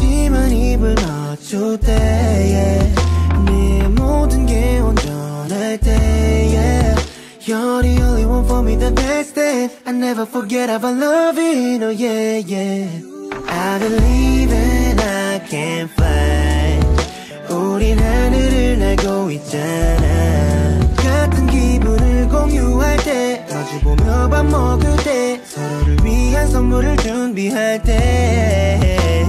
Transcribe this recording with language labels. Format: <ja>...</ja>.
<ko>네만 입을 맞출 때 yeah. 네 모든 게 온전할 때 yeah.</ko> <en>You're the only one for me, the best thing. I never forget about loving, oh yeah, yeah. I believe and I can't fly.</en> <ko>우린 하늘을 날고 있잖아. 같은 기분을 공유할 때, 마주 보며 밥 먹을 때, 서로를 위한 선물을 준비할 때.</ko>